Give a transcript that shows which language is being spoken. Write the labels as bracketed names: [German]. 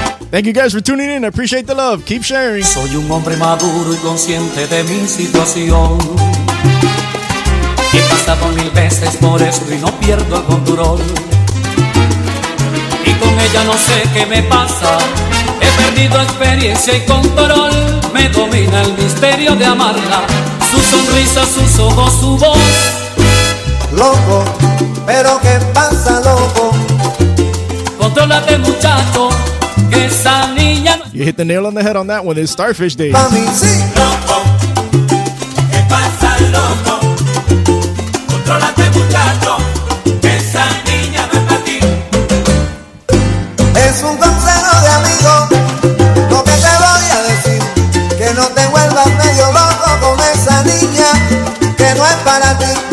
[English] Thank you guys for tuning in. I appreciate the love. Keep sharing. [Spanish] Soy un hombre maduro y consciente de mi situación. He pasado mil veces por esto y no pierdo el control. Y con ella no sé qué me pasa. He perdido experiencia y control. Me domina el misterio de amarla. Su sonrisa, sus ojos, su voz. Loco, pero qué pasa, loco. Contrólate, muchacho, que esa niña. [English] You hit the nail on the head on that one. It's Starfish Days. [Spanish] Mami, sí. Loco, ¿qué pasa, loco? Contrólate, muchacho, que esa niña no es para ti. Es un consejo de amigo, lo que te voy a decir. Que no te vuelvas medio loco con esa niña, que no es para ti.